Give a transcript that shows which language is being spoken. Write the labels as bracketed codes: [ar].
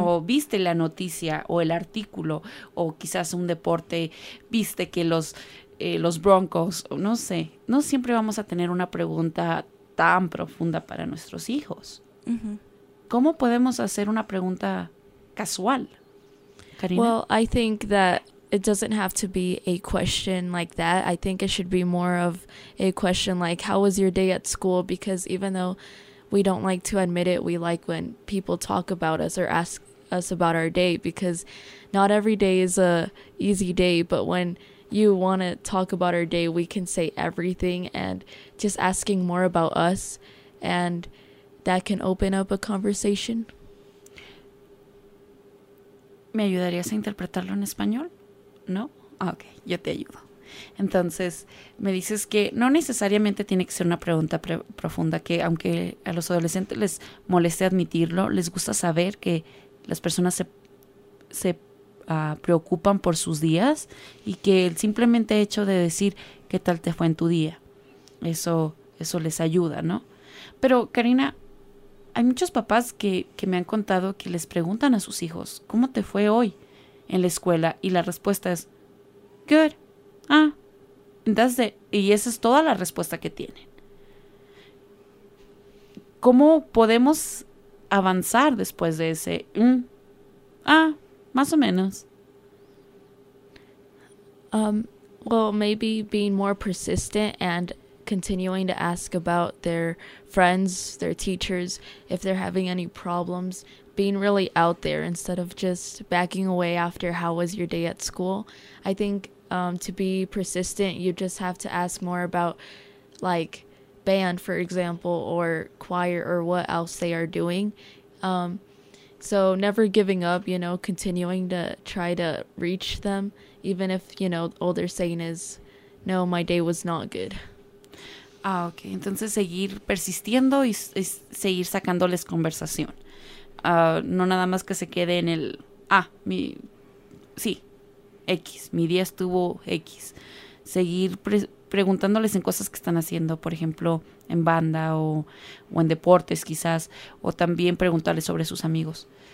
[es] ¿O viste la noticia o el artículo? ¿O quizás un deporte? ¿Viste que los Broncos? No sé. No siempre vamos a tener una pregunta tan profunda para nuestros hijos. ¿Cómo podemos hacer una pregunta casual, Karina? [en] Well, I think that it doesn't have to be a question like that. I think it should be more of a question like, how was your day at school? Because even though we don't like to admit it, we like when people talk about us or ask us about our day, because not every day is a easy day, but when you want to talk about our day, we can say everything, and just asking more about us, and that can open up a conversation. [es] ¿Me ayudarías a interpretarlo en español? ¿No? Ok, yo te ayudo. Entonces, me dices que no necesariamente tiene que ser una pregunta profunda, que aunque a los adolescentes les moleste admitirlo, les gusta saber que las personas se preocupan por sus días, y que el simplemente hecho de decir qué tal te fue en tu día, eso les ayuda, ¿no? Pero, Karina, hay muchos papás que me han contado que les preguntan a sus hijos, ¿cómo te fue hoy en la escuela? Y la respuesta es, [en] good. [es] Ah, entonces, y esa es toda la respuesta que tienen. ¿Cómo podemos avanzar después de ese, más o menos? [en] Well, maybe being more persistent and continuing to ask about their friends, their teachers, if they're having any problems, being really out there instead of just backing away after how was your day at school. I think to be persistent, you just have to ask more about, like, band, for example, or choir, or what else they are doing. So never giving up, you know, continuing to try to reach them, even if, you know, all they're saying is, no, my day was not good. Ah, ok. [es] Entonces, seguir persistiendo y seguir sacándoles conversación. No nada más que se quede en el, X. Mi día estuvo X. Seguir preguntándoles en cosas que están haciendo, por ejemplo, en banda o en deportes quizás, o también preguntarles sobre sus amigos.